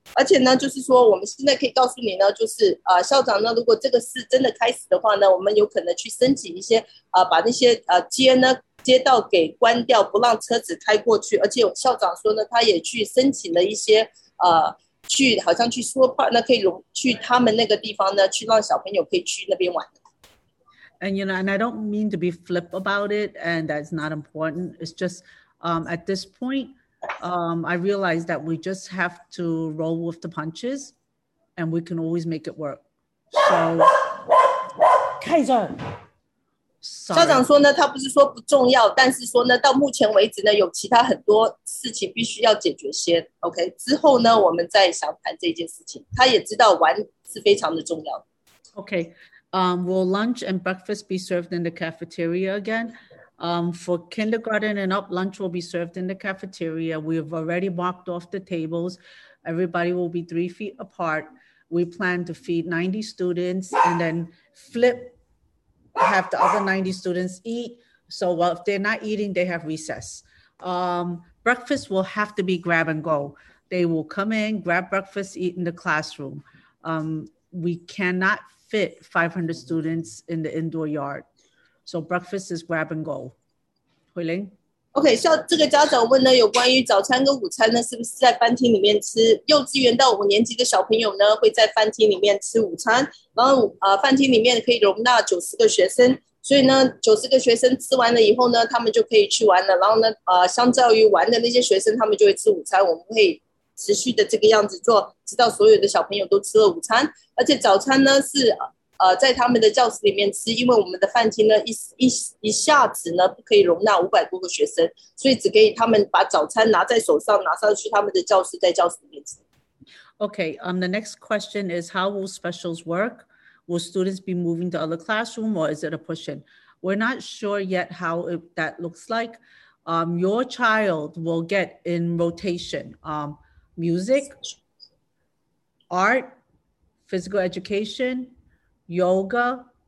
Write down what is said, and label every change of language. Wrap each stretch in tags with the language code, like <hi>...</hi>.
<zh>而且呢就是说我们现在可以告诉你呢，就是校长呢，如果这个事真的开始的话呢，我们有可能去申请一些把那些街呢街道给关掉，不让车子开过去。而且校长说呢，他也去申请了一些去好像去说话，那可以去他们那个地方呢，去让小朋友可以去那边玩。</zh> <en>And you know, and I don't mean to be flip about it, and that's not important. It's just at this point,I realize that we just have to roll with the punches and we can always make it work. So, Kaiser.</en> <zh>校长说呢，他不是说不重要，但是说呢，到目前为止呢，有其他很多事情必须要解决先。 OK， 之后呢，我们再想谈这件事情。他也知道玩是非常的重要。</zh> <en>OK, will lunch and breakfast be served in the cafeteria again? For kindergarten and up, lunch will be served in the cafeteria. We have already marked off the tables. Everybody will be 3 feet apart. We plan to feed 90 students and then flip, have the other 90 students eat. So well, if they're not eating, they have recess. Breakfast will have to be grab and go. They will come in, grab breakfast, eat in the classroom. We cannot fit 500 students in the indoor yard. So breakfast is grab and go. Huiling?</en> <zh>Okay, 像这个家长问呢，有关于早餐跟午餐呢，是不是在饭厅里面吃？幼稚园到五年级的小朋友呢，会在饭厅里面吃午餐。然后饭厅里面可以容纳90个学生，所以呢，90个学生吃完了以后呢，他们就可以去玩了。然后呢，相较于玩的那些学生，他们就会吃午餐。我们会持续的这个样子做，直到所有的小朋友都吃了午餐。而且早餐呢是。在他们的教室里面吃，因为我们的饭厅呢 一下子呢不可以容纳500多个学生，所以只可以他们把早餐拿在手上，拿上去他们的教室，在教室里面吃。</zh> <en>Okay, the next question is how will specials work? Will students be moving to other classroom or is it a push-in? We're not sure yet how that looks like. Your child will get in rotation music, art, physical education,Yoga.</en>